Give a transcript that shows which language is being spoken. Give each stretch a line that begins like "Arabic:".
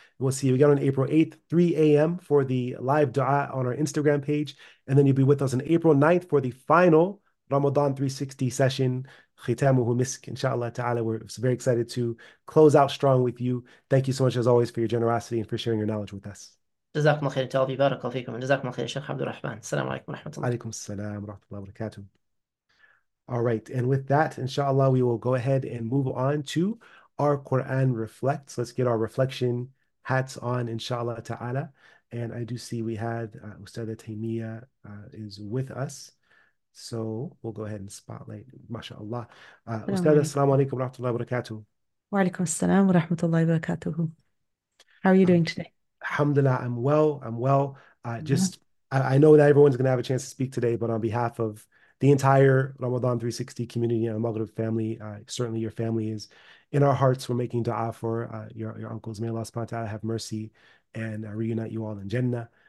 English: We'll see you again on April 8th, 3 a.m. for the live dua on our Instagram page. And then you'll be with us on April 9th for the final Ramadan 360 session, Khitamuhu Misk, inshallah ta'ala. We're very excited to close out strong with you. Thank you so much, as always, for your generosity and for sharing your knowledge with us.
Arabic: جزاكم الله خير تعالى بارك الله فيكم جزاكم الله خير شيخ عبد الرحمن السلام عليكم ورحمة الله عليكم السلام ورحمة الله وبركاته.
English: All right, and with that, inshallah, we will go ahead and move on to our Quran reflects. Let's get our reflection hats on, inshallah ta'ala. And I do see we had Ustada Taymiyyah is with us. So we'll go ahead and spotlight, mashallah.
Arabic: السلام
English: Ustada,
Arabic: عليكم assalamu alaikum wa rahmatullahi wa barakatuh. وعليكم السلام ورحمة الله وبركاته.
English: How are you doing today? Alhamdulillah, I'm well. I'm well. Yeah. I know that everyone's going to have a chance to speak today, but on behalf of the entire Ramadan 360 community and Maghrib family, certainly your family is in our hearts. We're making dua for your uncles. May Allah subhanahu wa ta'ala have mercy and reunite you all in Jannah.